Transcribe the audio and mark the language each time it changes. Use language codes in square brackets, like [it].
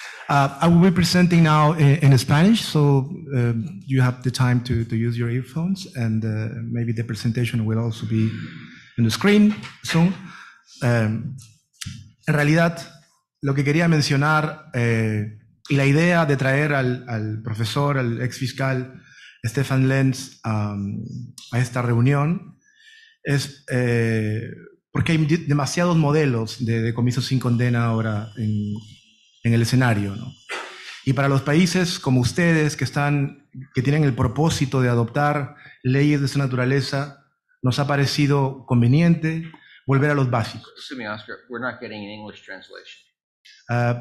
[en] I will be presenting now in Spanish, so you have the time to use your earphones, and maybe the presentation will also be on the screen soon. [es] En realidad, lo que quería mencionar y la idea de traer al profesor, al ex fiscal Stefan Lenz a esta reunión es porque hay demasiados modelos de decomiso sin condena ahora en el escenario, ¿no? Y para los países como ustedes que tienen el propósito de adoptar leyes de esa naturaleza, nos ha parecido conveniente volver a los básicos. [en] Excuse me, Oscar, we're not getting an English translation.